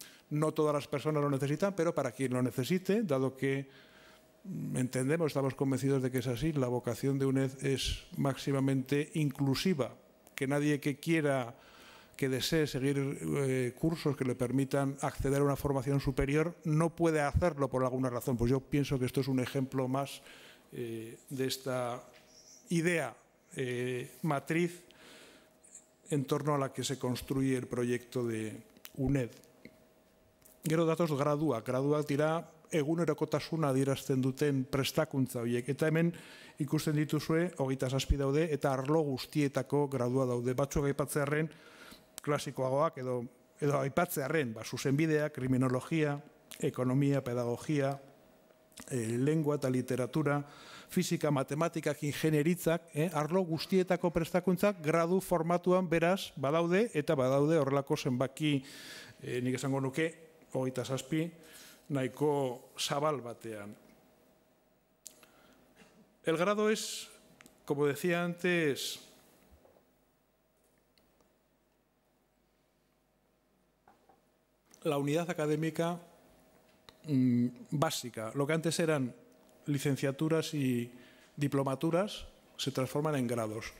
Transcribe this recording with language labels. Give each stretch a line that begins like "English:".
Spanish: No todas las personas lo necesitan, pero para quien lo necesite, dado que entendemos, estamos convencidos de que es así, la vocación de UNED es máximamente inclusiva, que nadie que quiera, que desee seguir cursos que le permitan acceder a una formación superior, no puede hacerlo por alguna razón. Pues yo pienso que esto es un ejemplo más de esta idea matriz en torno a la que se construye el proyecto de UNED.
Basque: Gero datos graduak dira egunerokotasuna adierazten duten prestakuntza horiek. Eta hemen ikusten dituzue, 27 daude, eta arlo guztietako gradua daude. Batzuk aipatzearren klasikoagoak edo aipatzearren, zuzenbidea, kriminologia, ekonomia, pedagogia, lengua eta literatura, fizika, matematikak, ingenieritzak, arlo guztietako prestakuntzak gradu formatuan beraz badaude eta badaude horrelako zenbaki, nik esango nuke, 27, nahiko zabal batean.
Spanish: El grado es, como decía antes, la unidad académica básica. Lo que antes eran licenciaturas y diplomaturas se transforman en grados.